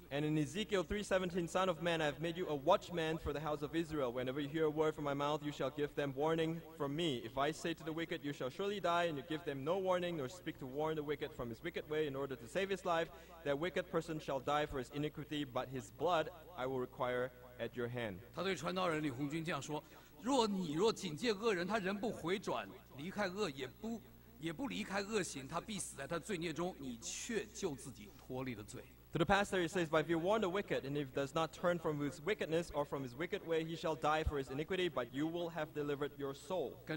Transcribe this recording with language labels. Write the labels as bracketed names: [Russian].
[English] And in Ezekiel 3:17, Son of man, I have made you a watchman for the house of Israel. Whenever you hear a word from my mouth, you shall give them warning from me. If I say to the wicked, you shall surely die, and you give them no warning, nor speak to warn the wicked from his wicked way in order to save his life, that wicked person shall die for his iniquity, but his blood I will require at your hand. [Chinese] 他对传道人李红军这样说，若你若警戒恶人，他人不回转，离开恶，也不离开恶行，他必死在他罪孽中，你却救自己脱离了罪。 [English] To the pastor, he says, but if you warn the wicked, and if he does not turn from his wickedness or from his wicked way, he shall die for his iniquity, but you will have delivered your soul.